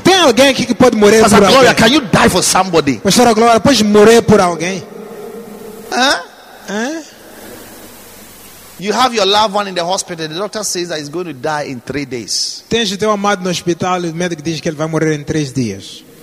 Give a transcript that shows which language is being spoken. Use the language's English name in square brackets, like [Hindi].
[Portuguese] Tem alguém aqui que pode morrer Pastor por Gloria, alguém? [English] Can you die for somebody? [Portuguese] Pastor Gloria, pode morrer por alguém? [English] You have your loved one in the hospital. The doctor says that he's going to die in 3 days. [Portuguese] Tens o teu amado no hospital e o médico diz que ele vai morrer em 3 dias.